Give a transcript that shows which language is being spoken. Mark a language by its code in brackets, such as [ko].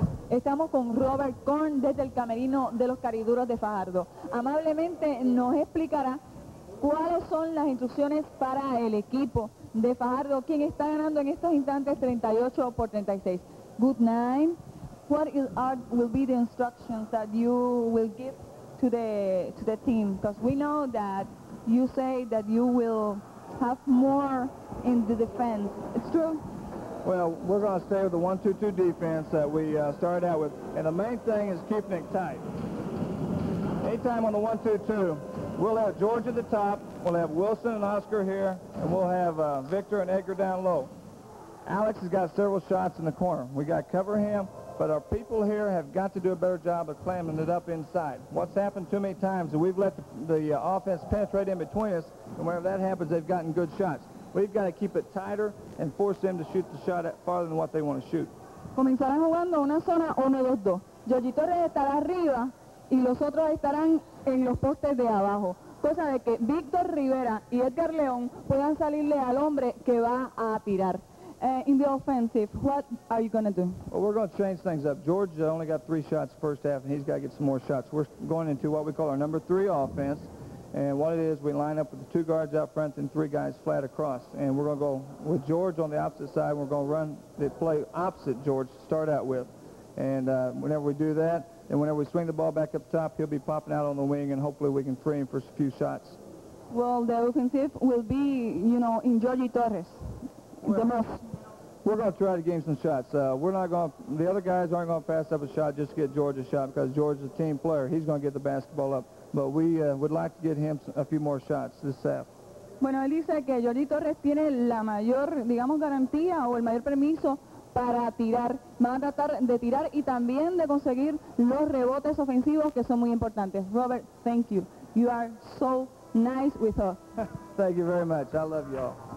[es] Estamos con Robert Korn desde el camerino de los Cariduros de Fajardo. Amablemente nos explicará cuáles son las instrucciones para el equipo de Fajardo, quien está ganando en estos instantes 38 por 36. [en] Good night. What is, will be the instructions that you will give to the team? Because we know that you say that you will have more in the defense. It's true. Well, we're going to stay with the 1-2-2 defense that we started out with. And the main thing is keeping it tight. Anytime on the 1-2-2, We'll have George at the top. We'll have Wilson and Oscar here. And we'll have Victor and Edgar down low. Alex has got several shots in the corner. We got to cover him. But our people here have got to do a better job of clamming it up inside. What's happened too many times is we've let the offense penetrate in between us. And whenever that happens, they've gotten good shots. We've got to keep it tighter and force them to shoot the shot at farther than what they want to shoot. [es] Comenzarán jugando una zona 1-2-2. Yoyi Torres estará arriba y los otros estarán en los postes de abajo. Cosa de que Víctor Rivera y Edgar León puedan salirle al hombre que va a tirar. [en] In the offensive, what are you going to do? Well, we're going to change things up. George only got three shots first half, and he's got to get some more shots. We're going into what we call our number three offense. And what it is, we line up with the two guards out front and three guys flat across. And we're going to go with George on the opposite side. We're going to run the play opposite George to start out with. And whenever we do that, and whenever we swing the ball back up top, he'll be popping out on the wing, and hopefully we can free him for a few shots. Well, the offensive will be, you know, in Georgie Torres. Well, the most. We're going to try to gain some shots. We're not going to, the other guys aren't going to pass up a shot just to get George a shot because George is a team player. He's going to get the basketball up. But we would like to get him a few more shots this half. [es] Bueno, él dice que Georgie Torres tiene la mayor, digamos, garantía o el mayor permiso para tirar. Van a tratar de tirar y también de conseguir los rebotes ofensivos que son muy importantes. [en] Robert, thank you. You are so nice with us. Thank you very much. I love you all.